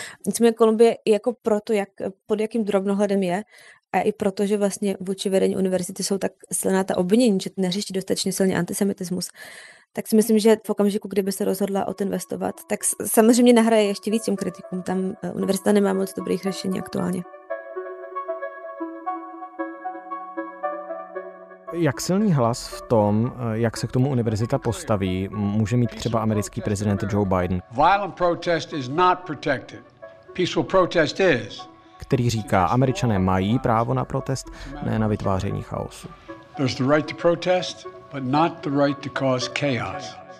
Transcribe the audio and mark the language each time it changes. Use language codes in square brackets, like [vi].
[cs] Nicméně Kolumbie jako proto, jak, pod jakým drobnohledem je, a i proto, že vlastně vůči vedení univerzity jsou tak silná ta obvinění, že neřeší dostatečně silně antisemitismus, tak si myslím, že v okamžiku, kdyby se rozhodla odinvestovat, tak samozřejmě nahraje ještě víc těm kritikům. Tam univerzita nemá moc dobrých řešení aktuálně. Jak silný hlas v tom, jak se k tomu univerzita postaví, může mít třeba americký prezident Joe Biden? [en] Violent protest is not protected. Peaceful protest is. [cs] Který říká, Američané mají právo na protest, ne na vytváření chaosu. [en] There's the right to protest, but not the right to cause chaos.